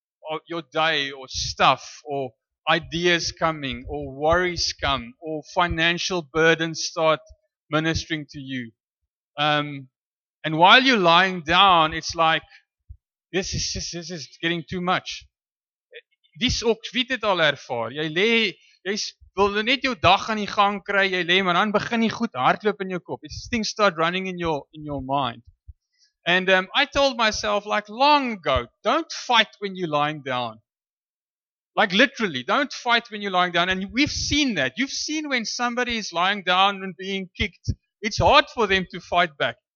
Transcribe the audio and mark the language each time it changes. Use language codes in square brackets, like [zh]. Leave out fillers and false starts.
[en] Or your day or stuff or ideas coming or worries come or financial burdens start ministering to you. And while you're lying down, it's like, this is getting too much. [af] Dis ook, wie dit al ervaar? Jy lê, jy wil net jou dag aan die gang kry, jy lê, maar dan begin die goed hardloop in jou kop. [en] These things start running in your mind. And I told myself, like long ago, don't fight when you're lying down. Like literally, don't fight when you're lying down. And we've seen that. You've seen when somebody is lying down and being kicked. It's hard for them to fight back.